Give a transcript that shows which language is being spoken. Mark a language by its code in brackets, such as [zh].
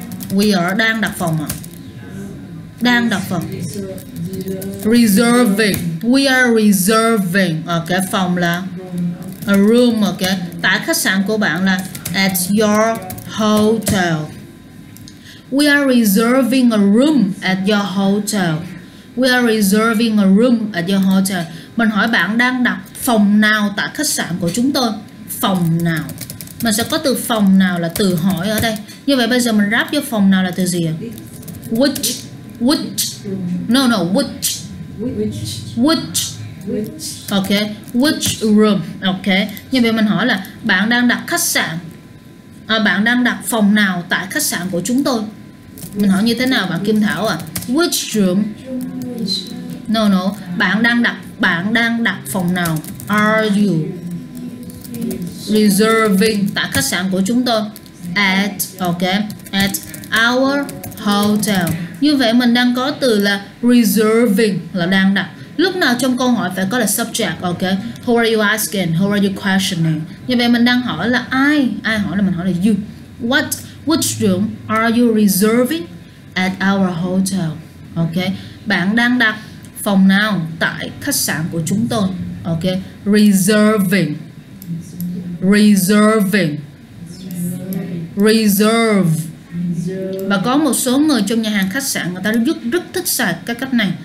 [en] We are [vi] đang đặt phòng à? Đang đặt phòng. Reserving. [en] We are reserving. Okay. [vi] Phòng là [en] a room. Okay. [vi] Tại khách sạn của bạn là [en] at your hotel. We are reserving a room at your hotel. We are reserving a room at your hotel. [vi] Mình hỏi bạn đang đặt phòng nào tại khách sạn của chúng tôi? Phòng nào? Mình sẽ có từ phòng nào là từ hỏi ở đây. Như vậy bây giờ mình ráp vô phòng nào là từ gì? [en] Which? Which? No, no, which? Which? Which? Okay, which room? Okay. [vi] Như vậy mình hỏi là bạn đang đặt khách sạn. À, bạn đang đặt phòng nào tại khách sạn của chúng tôi? Mình hỏi như thế nào bạn Kim Thảo à? [en] Which room? No, no. [vi] Bạn đang đặt phòng nào? [en] Are you reserving [vi] tại khách sạn của chúng tôi? [en] At, okay. At our hotel. [vi] Như vậy mình đang có từ là reserving là đang đặt. Lúc nào trong câu hỏi phải có là subject, okay? [en] Who are you asking? Who are you questioning? [vi] Như vậy mình đang hỏi là ai? Ai hỏi là mình hỏi là you. [en] What? Which room are you reserving at our hotel? Okay? [vi] Bạn đang đặt phòng nào tại khách sạn của chúng tôi? [en] Okay? Reserving. Reserving. Reserve. [vi] Và có một số người trong nhà hàng khách sạn người ta rất thích xài cái cách này.